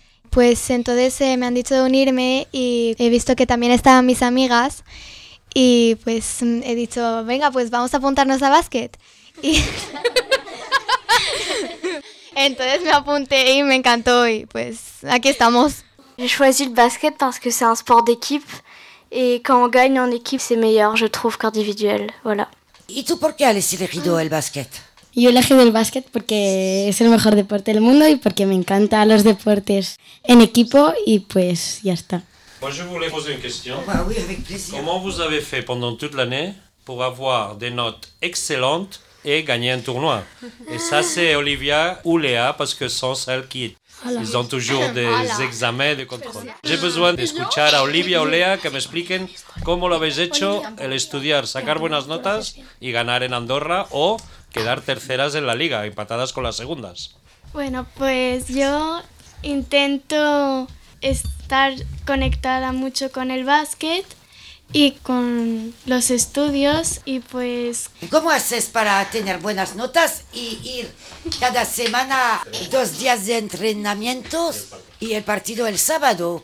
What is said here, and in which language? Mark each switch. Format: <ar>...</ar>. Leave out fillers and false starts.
<es>Pues entonces me han dicho de unirme y he visto que también estaban mis amigas. Y pues he dicho, venga, pues vamos a apuntarnos a básquet. Y entonces me apunté y me encantó y pues aquí estamos.</es> <fr>J'ai choisi le basket parce que c'est un sport d'équipe et quand on gagne en équipe c'est meilleur je trouve qu'individuel, voilà.</fr> <es>¿Y tú por qué has elegido el básquet? Yo he elegido el básquet porque es el mejor deporte del mundo y porque me encantan los deportes en equipo y pues ya está.</es> <fr>Moi je voulais poser une question. Bah oui, avec plaisir. Comment vous avez fait pendant toute l'année pour avoir des notes excellentes et gagner un tournoi? Et ça c'est Olivia ou Léa parce que sont celles qui... Ils ont toujours des examens de contrôle. J'ai besoin d'écouter à Olivia ou Léa qui m'expliquent comment l'avez fait pour étudier,</fr> <es>sacar buenas notas</es> <fr>et gagner en Andorra ou</fr> <es>quedar terceras en la liga, empatadas con las segundas. Bueno, pues yo intento estar conectada mucho con el básquet y con los estudios y pues... ¿Cómo haces para tener buenas notas y ir cada semana dos días de entrenamientos y el partido el sábado?</es>